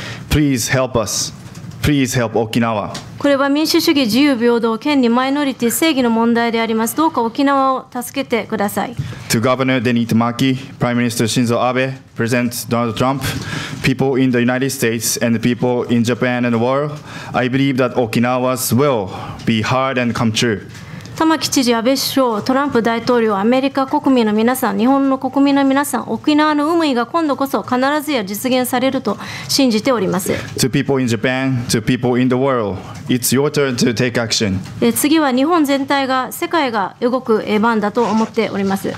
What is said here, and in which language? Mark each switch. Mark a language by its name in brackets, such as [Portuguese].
[English] Please help us. Please help Okinawa. [Japanese] これは民主主義、自由、平等、権利、マイノリティ、正義の問題であります。どうか沖縄を助けてください。 [English] To Governor Deni Tamaki, Prime Minister Shinzo Abe, President Donald Trump, people in the United States and the people in Japan and the world, I believe that Okinawa's will be heard and come true. [Japanese] 玉城知事、安倍首相、トランプ大統領、アメリカ国民の皆さん、日本の国民の皆さん、沖縄の運命が今度こそ必ずや実現されると信じております。 [English] To people in Japan, to people in the world, it's your turn to take action. [Japanese] 次は日本全体が、世界が動く番だと思っております。